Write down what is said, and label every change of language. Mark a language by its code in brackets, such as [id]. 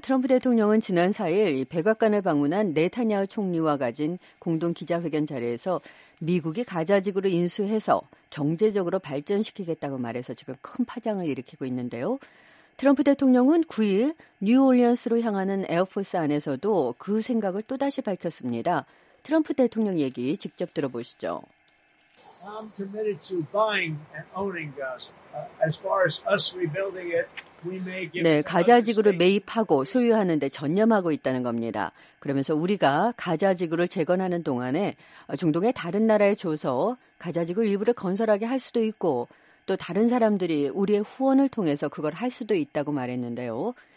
[ko] 트럼프 대통령은 지난 4일 백악관을 방문한 네타냐후 총리와 가진 공동 기자회견 자리에서 미국이 가자지구를 인수해서 경제적으로 발전시키겠다고 말해서 지금 큰 파장을 일으키고 있는데요. 트럼프 대통령은 9일 뉴올리언스로 향하는 에어포스 안에서도 그 생각을 또다시 밝혔습니다. 트럼프 대통령 얘기 직접 들어보시죠. [en] I'm committed to buying and owning Gaza. As far as us rebuilding it, we may give. [ko] 네, 가자 지구를 매입하고 소유하는 데 전념하고 있다는 겁니다. 그러면서 우리가 가자 지구를 재건하는 동안에 중동의 다른 나라에 줘서 가자 지구 일부를 건설하게 할 수도 있고 또 다른 사람들이 우리의 후원을 통해서 그걸 할 수도 있다고 말했는데요.